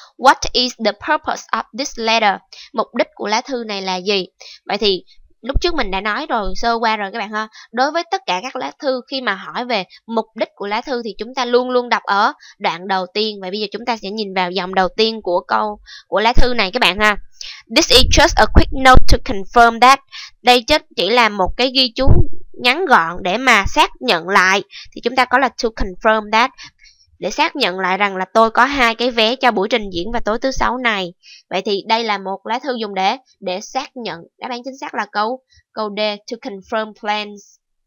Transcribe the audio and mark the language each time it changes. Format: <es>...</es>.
<en>What is the purpose of this letter?</en> <vi>Mục đích của lá thư này là gì? Vậy thì lúc trước mình đã nói rồi, sơ qua rồi các bạn ha. Đối với tất cả các lá thư, khi mà hỏi về mục đích của lá thư thì chúng ta luôn luôn đọc ở đoạn đầu tiên. Và bây giờ chúng ta sẽ nhìn vào dòng đầu tiên của câu của lá thư này các bạn ha.</vi> <en>This is just a quick note to confirm that.</en> <vi>Đây chỉ là một cái ghi chú ngắn gọn để mà xác nhận lại. Thì chúng ta có là</vi> <en>to confirm that,</en> <vi>để xác nhận lại rằng là tôi có 2 cái vé cho buổi trình diễn vào tối thứ 6 này. Vậy thì đây là một lá thư dùng để xác nhận. Đáp án chính xác là câu D,</vi> <en>to confirm plans.</en>